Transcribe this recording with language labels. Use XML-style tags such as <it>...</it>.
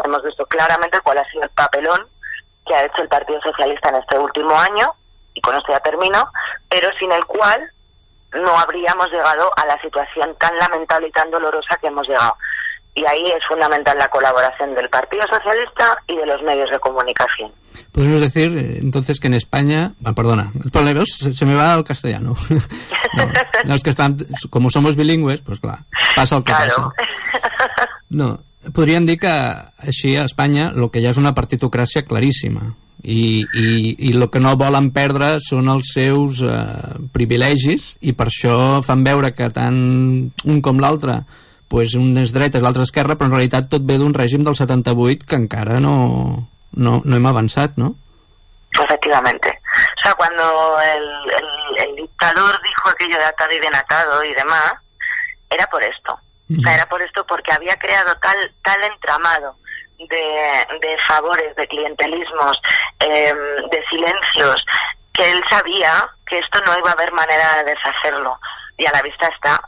<es>Hemos visto claramente cuál ha sido el papelón que ha hecho el Partido Socialista en este último año, y con esto ya termino, pero sin el cual no habríamos llegado a la situación tan lamentable y tan dolorosa que hemos llegado. Y ahí es fundamental la colaboración del Partido Socialista y de los medios de comunicación. Podemos decir, entonces, que en España... Ah, perdona, se me va al castellano. No, es que están, como somos bilingües, pues claro, pasa el que claro. Pasa.</es> <ca>No, podríem dir que així a Espanya el que ja és una partitocràcia claríssima. I el que no volen perdre són els seus privilegis, i per això fan veure que tant un com l'altre, pues un és dret i l'altre esquerra, però en realitat tot ve d'un règim del 78 que encara no hem avançat, no?</ca> <es>Efectivamente. O sea, cuando el dictador dijo aquello de atado y bien atado y demás, era por esto. O sea, era por esto, porque había creado tal entramado de favores, de clientelismos, de silencios, que él sabía que esto no iba a haber manera de deshacerlo. Y a la vista está.</es>